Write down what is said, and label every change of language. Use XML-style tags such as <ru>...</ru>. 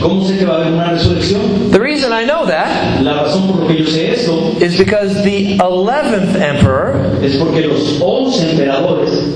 <es>¿Cómo sé que va a haber una resurrección?</es> <en>The reason I know that</en> <es>la razón por que yo sé eso</es> <en>is because the 11th emperor</en> <es>es porque los 11 emperadores</es>